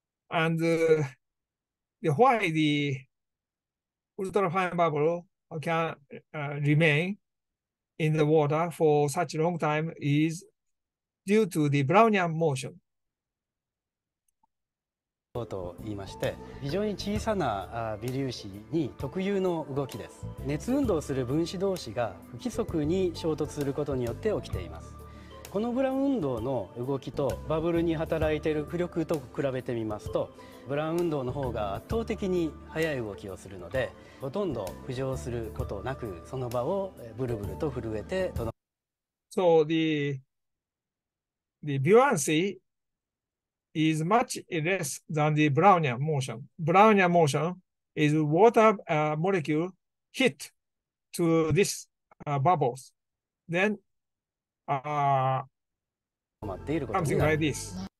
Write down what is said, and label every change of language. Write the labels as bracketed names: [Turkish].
[English] And why the ultrafine bubble can remain in the water for such a long time is due to the Brownian motion. [Japanese] と言いまして、非常に小さな微粒子に特有の動きです。熱運動する分子同士が不規則に衝突することによって起きています。このブラウン運動の動きとバブルに働いている浮力と比べてみますと、ブラウン運動の方が圧倒的に速い動きをするので、ほとんど浮上することなくその場をブルブルと震えて届く。 [English] So the buoyancy is much less than the Brownian motion. Brownian motion is water molecule hit to this bubbles. Then something like this.